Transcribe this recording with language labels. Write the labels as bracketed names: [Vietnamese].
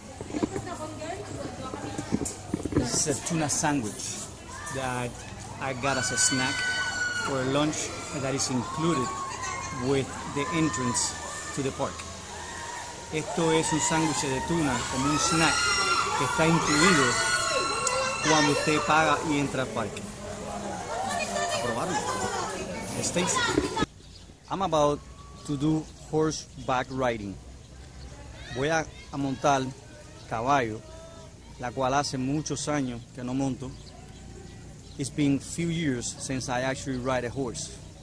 [English] This is a tuna sandwich that I got as a snack for lunch that is included with the entrance to the park. [Spanish] Esto es un sándwich de tuna como un snack que está incluido cuando usted paga y entra al parque. A probarlo. [English] It's tasty. I'm about to do horseback riding. [Spanish] Voy a montar caballo, la cual hace muchos años que no monto. [English] It's been a few years since I actually ride a horse.